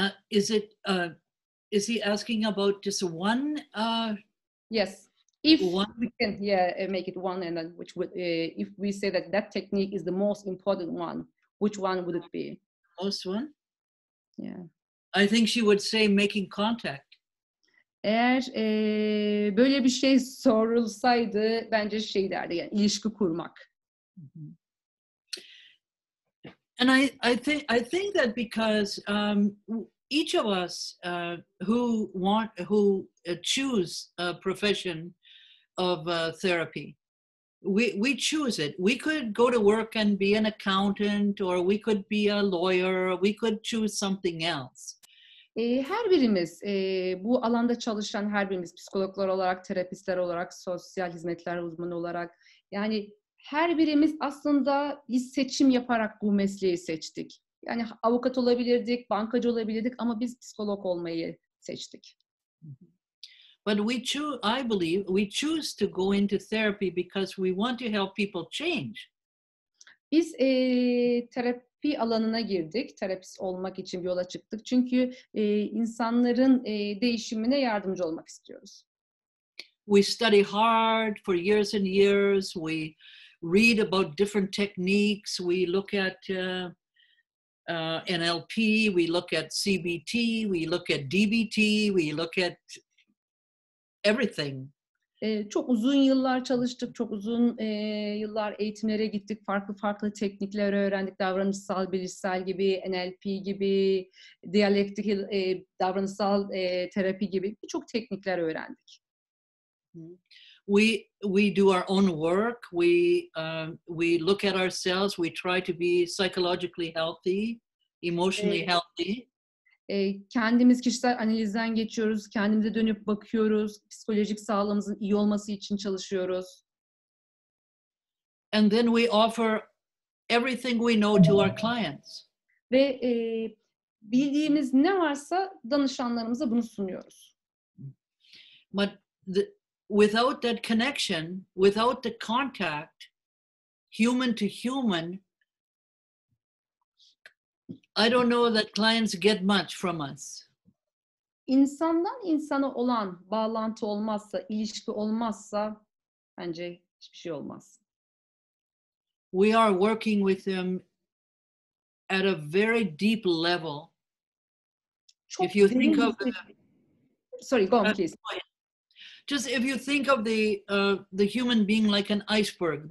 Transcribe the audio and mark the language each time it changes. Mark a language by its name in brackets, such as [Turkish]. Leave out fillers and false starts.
[English] Is he asking about just one? Yes. If one, we can, yeah, make it one, and then which would, if we say that that technique is the most important one, which one would it be? Most one? Yeah. I think she would say making contact. [Turkish] Eğer böyle bir şey sorulsaydı bence şey derdi, yani ilişki kurmak. Mm-hmm. [English] And I think that because each of us who choose a profession of therapy, we choose it. We could go to work and be an accountant, or we could be a lawyer, or we could choose something else. [Turkish] Her birimiz, bu alanda çalışan her birimiz, psikologlar olarak, terapistler olarak, sosyal hizmetler uzmanı olarak, yani her birimiz aslında biz seçim yaparak bu mesleği seçtik. Yani avukat olabilirdik, bankacı olabilirdik ama biz psikolog olmayı seçtik. [English] But I believe we choose to go into therapy because we want to help people change. [Turkish] Biz terapi alanına girdik, terapist olmak için yola çıktık. Çünkü insanların değişimine yardımcı olmak istiyoruz. [English] We study hard for years and years. We read about different techniques. We look at NLP, we look at CBT, we look at DBT, we look at everything. [Turkish] Çok uzun yıllar çalıştık, çok uzun yıllar eğitimlere gittik, farklı teknikler öğrendik, davranışsal, bilişsel gibi, NLP gibi, dialektik davranışsal terapi gibi birçok teknikler öğrendik. [English] We do our own work, we look at ourselves, we try to be psychologically healthy, emotionally healthy. [Turkish] Kendimiz kişisel analizden geçiyoruz, kendimize dönüp bakıyoruz, psikolojik sağlığımızın iyi olması için çalışıyoruz. [English] And then we offer everything we know to our clients. [Turkish] Ve bildiğimiz ne varsa danışanlarımıza bunu sunuyoruz. [English] But without that connection, without the contact, human to human, I don't know that clients get much from us. [Turkish] İnsandan insana olan bağlantı olmazsa, ilişki olmazsa bence hiçbir şey olmaz. [English] We are working with them at a very deep level. Çok, if you think of sorry, go on, please. Just if you think of the human being like an iceberg.